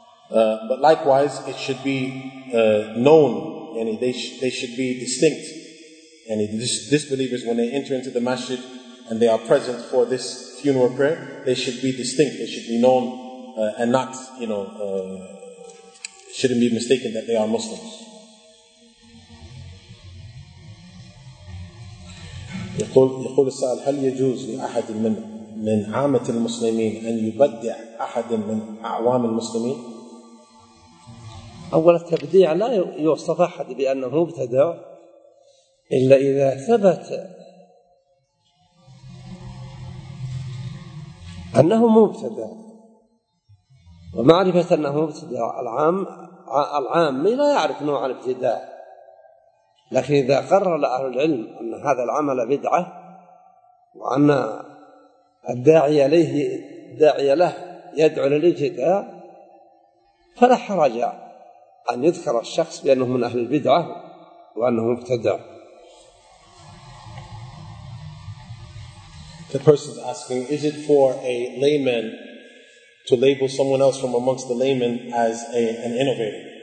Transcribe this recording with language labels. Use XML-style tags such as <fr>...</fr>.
<en>But likewise, it should be known, and they should be distinct. And disbelievers, when they enter into the masjid and they are present for this funeral prayer, they should be distinct. They should be known, and not, you know, shouldn't be mistaken that they are Muslims.</en> <ar>يقول السائل هل يجوز لأحد من عامة المسلمين أن يبدع أحد من أعوام المسلمين؟ أول التبديع لا يوصف أحد بأنه مبتدع إلا إذا ثبت أنه مبتدع، ومعرفة أنه مبتدع العام لا يعرف نوع الابتداع، لكن إذا قرر أهل العلم أن هذا العمل بدعة وأن الداعي له يدعو للابتداع فلا حرج أن يذكر الشخص بأنه من أهل البدعة وأنه مبتدع.</ar> <en>The person is asking, is it for a layman to label someone else from amongst the laymen as an innovator?</en>